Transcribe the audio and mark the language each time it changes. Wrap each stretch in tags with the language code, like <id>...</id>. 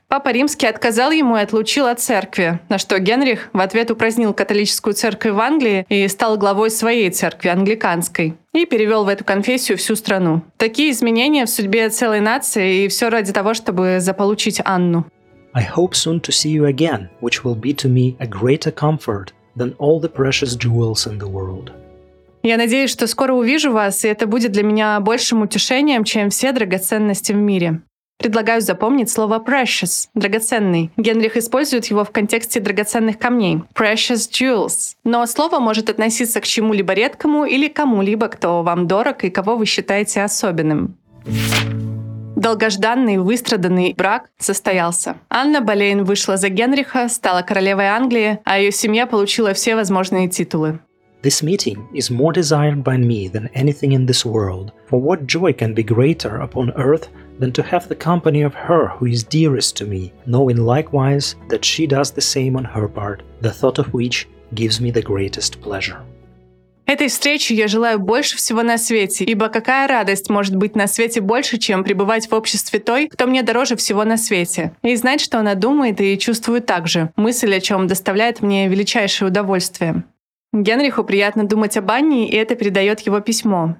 <ru>Папа Римский отказал ему и отлучил от церкви, на что Генрих в ответ упразднил католическую церковь в Англии и стал главой своей церкви, англиканской, и перевел в эту конфессию всю страну. Такие изменения в судьбе целой нации, и все ради того, чтобы заполучить Анну.</ru> <en>I hope soon to see you again, which will be to me a greater comfort than all the precious jewels in the world.</en> <ru>Я надеюсь, что скоро увижу вас, и это будет для меня большим утешением, чем все драгоценности в мире. Предлагаю запомнить слово precious – драгоценный. Генрих использует его в контексте драгоценных камней – precious jewels. Но слово может относиться к чему-либо редкому или кому-либо, кто вам дорог и кого вы считаете особенным. Долгожданный, выстраданный брак состоялся. Анна Болейн вышла за Генриха, стала королевой Англии, а ее семья получила все возможные титулы.</ru> <en>This meeting is more desired by me than anything in this world. For what joy can be greater upon earth than to have the company of her who is dearest to me, knowing likewise that she does the same on her part, the thought of which gives me the greatest pleasure.</en> <ru>Этой встречи я желаю больше всего на свете, ибо какая радость может быть на свете больше, чем пребывать в обществе той, кто мне дороже всего на свете, и знать, что она думает и чувствует так же, мысль о чем доставляет мне величайшее удовольствие. Генриху приятно думать об Анне, и это передает его письмо.</ru>